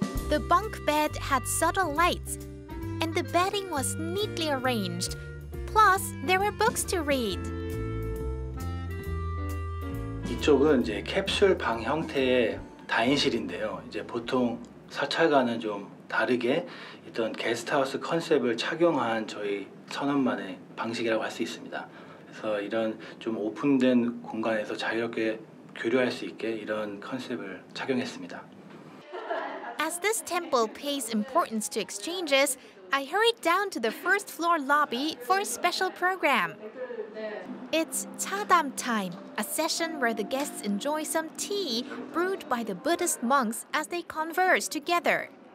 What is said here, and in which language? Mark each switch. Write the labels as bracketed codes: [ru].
[en] The bunk bed had subtle lights, and the bedding was neatly arranged. Plus, there were books to read. [ko] 이쪽은 이제 캡슐 방 형태의 다인실인데요. 이제 보통 사찰과는 좀 다르게 어떤 게스트하우스 컨셉을 착용한 저희 선원만의 방식이라고 할 수 있습니다. 그래서 이런 좀 오픈된 공간에서 자유롭게 교류할 수 있게 이런 컨셉을 착용했습니다. [en] As this temple pays importance to exchanges, I hurried down to the first floor lobby for a special program. It's 차담 time, a session where the guests enjoy some tea brewed by the Buddhist monks as they converse together.